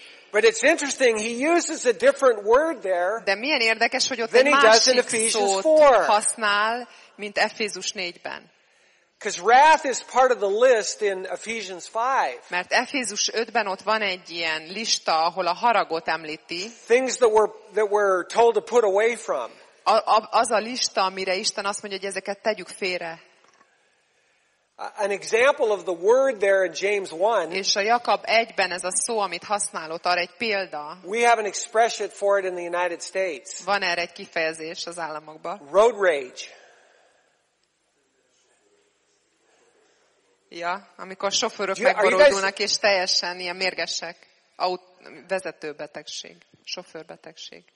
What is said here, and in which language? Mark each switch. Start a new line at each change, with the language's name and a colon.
English: But it's interesting, he uses a different word there.
Hungarian: De milyen érdekes, hogy ott egy másik szót használ, mint Efézus 4-ben.
English: Because wrath is part of the list in Ephesians 5.
Hungarian: Mert Efézus 5-ben ott van egy ilyen lista, ahol a haragot említi.
English: Things that we're told to put away from.
Hungarian: Az a lista, amire Isten azt mondja, hogy ezeket tegyük félre.
English: An example of the word there in James 1.
Hungarian: És a Jakab 1-ben ez a szó, amit használott, arra egy példa.
English: We have an expression for it in the United States.
Hungarian: Van erre egy kifejezés az államokban.
English: Road rage.
Hungarian: Ja, amikor sofőrök megborodulnak, és teljesen ilyen mérgesek. Vezetőbetegség, sofőrbetegség.